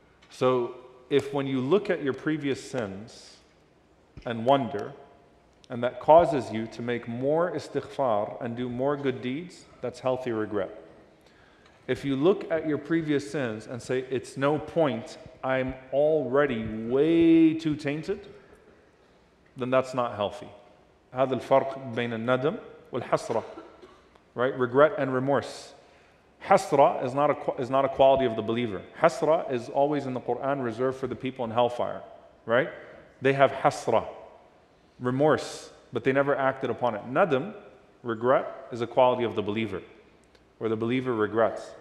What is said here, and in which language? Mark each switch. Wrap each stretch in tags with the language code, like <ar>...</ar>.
<en>So if when you look at your previous sins and wonder, and that causes you to make more istighfar and do more good deeds, that's healthy regret. If you look at your previous sins and say, it's no point, I'm already way too tainted, then that's not healthy.</en> <ar>هذا الفرق بين الندم والحسرة.</ar> <en>Right? Regret and remorse. Hasra is not a quality of the believer. Hasra is always in the Quran reserved for the people in hellfire. Right? They have hasra. Remorse, but they never acted upon it. Nadam, regret, is a quality of the believer, where the believer regrets.</en>